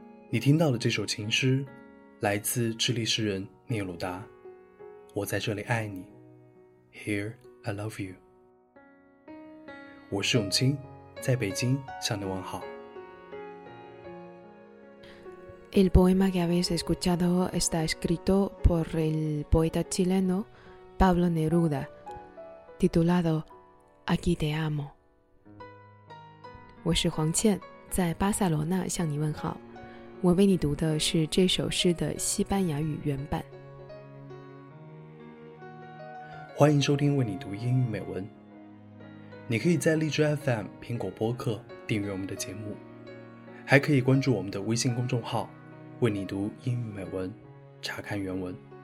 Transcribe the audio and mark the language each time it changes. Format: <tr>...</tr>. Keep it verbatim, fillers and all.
<zh>你听到的这首情诗来自智利诗人聂鲁达，我在这里爱你</zh> <en>Here I love you。</en> <zh>我是永清，在北京向你问好。</zh> <es>El poema que habéis escuchado está escrito por el poeta chileno Pablo Neruda, titulado Aquí te amo。</es> <zh>我是黄倩，在巴塞罗那向你问好。我为你读的是这首诗的西班牙语原版。欢迎收听为你读英语美文。你可以在荔枝 F M、苹果播客订阅我们的节目，还可以关注我们的微信公众号“为你读英语美文”，查看原文。</zh>